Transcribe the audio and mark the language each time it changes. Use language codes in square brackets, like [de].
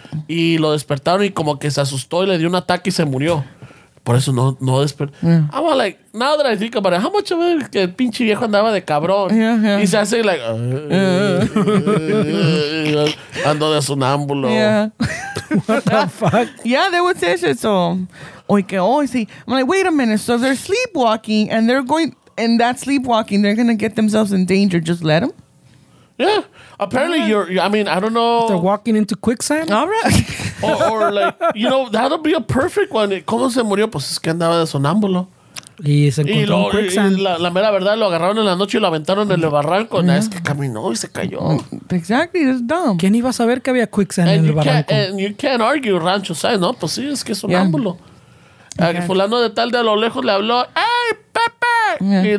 [es] Y lo despertaron y como que se asustó y le dio un ataque y se murió. Por eso no despertó. [en] Yeah. I'm like, now that I think about it, how much of it [es] que el pinche viejo andaba de cabrón. [en] Yeah, yeah. [es] Y se hace [en] like, [es] ando de sonámbulo. [en] Yeah. What the fuck? Yeah, they would say shit. So, oy que oy, see. I'm like, wait a minute. So they're sleepwalking and they're going, and that sleepwalking, they're going to get themselves in danger. Just let them? Yeah. Apparently, I don't know. If they're walking into quicksand? All right. or like, you know, that'll be a perfect one. [es] ¿Cómo se murió? Pues es que andaba de sonámbulo. Y se encontró en quicksand. La mera verdad, lo agarraron en la noche y lo aventaron en el barranco. [en] Yeah. [es] Es que caminó y se cayó. [en] Exactly, it's dumb. [es] ¿Quién iba a saber que había quicksand en el barranco? [en] And you can't argue, rancho, [es] ¿sabes? No, pues sí, es que es un ámbulo. Fulano de tal de a lo lejos le habló, ¡Ey, Pepe!